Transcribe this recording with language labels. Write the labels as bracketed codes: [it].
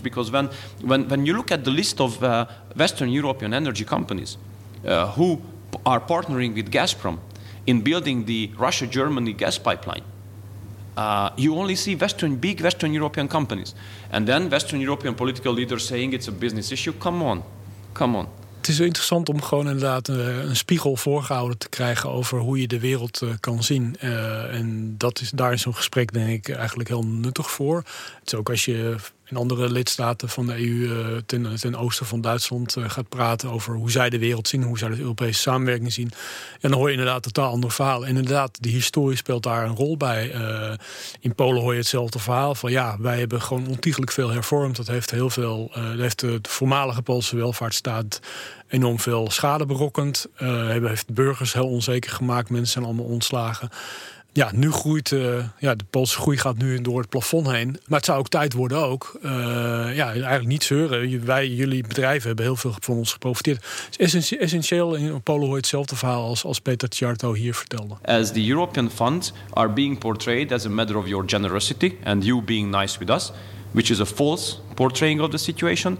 [en] Because when you look at the list of Western European energy companies who are partnering with Gazprom in building the Russia-Germany gas pipeline, you only see big Western European companies. And then Western European political leaders saying it's a business issue. Come on. [nl] Het is interessant om gewoon inderdaad een spiegel voorgehouden te krijgen over hoe je de wereld kan zien. En dat is, daar is zo'n gesprek denk ik eigenlijk heel nuttig voor. Het is ook als je in andere lidstaten van de EU ten oosten van Duitsland gaat praten over hoe zij de wereld zien, hoe zij de Europese samenwerking zien. En dan hoor je inderdaad een totaal ander verhaal. En inderdaad, de historie speelt daar een rol bij. In Polen hoor je hetzelfde verhaal van ja, wij hebben gewoon ontiegelijk veel hervormd. Dat heeft heel veel, heeft de voormalige Poolse welvaartsstaat enorm veel schade berokkend. Heeft burgers heel onzeker gemaakt, mensen zijn allemaal ontslagen. Ja, nu groeit de Poolse groei gaat nu door het plafond heen. Maar het zou ook tijd worden ook. Eigenlijk niet zeuren. Jullie bedrijven hebben heel veel van ons geprofiteerd. Het is essentieel. In Polen hoor je hetzelfde verhaal als Peter Ciarto hier vertelde. [en] As the European funds are being portrayed as a matter of your generosity and you being nice with us, which is a false portraying of the situation.